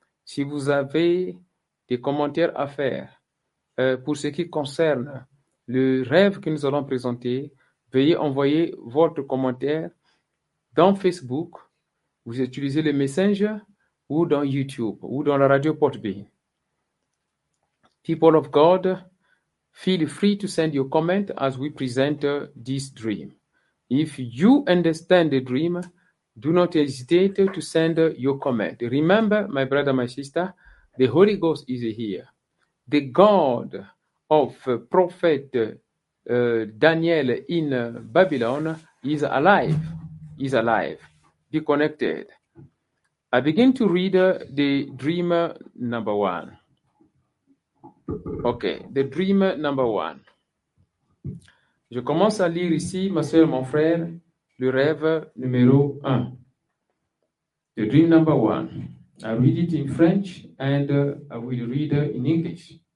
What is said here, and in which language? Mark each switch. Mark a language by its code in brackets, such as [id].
[fr] Si vous avez des commentaires à faire pour ce qui concerne le rêve que nous allons présenter, veuillez envoyer votre commentaire dans Facebook, vous utilisez le Messenger ou dans YouTube ou dans la radio Podbean. [en] People of God, feel free to send your comment as we present this dream. If you understand the dream, do not hesitate to send your comment. Remember, my brother, my sister, the Holy Ghost is here. The God of prophet Daniel in Babylon is alive. Is alive. Be connected. I begin to read the dream number one. Okay, the dream number one. [fr] Je commence à lire ici, ma soeur, mon frère, le rêve numéro un. [en] The dream number one. I read it in French and I will read in English.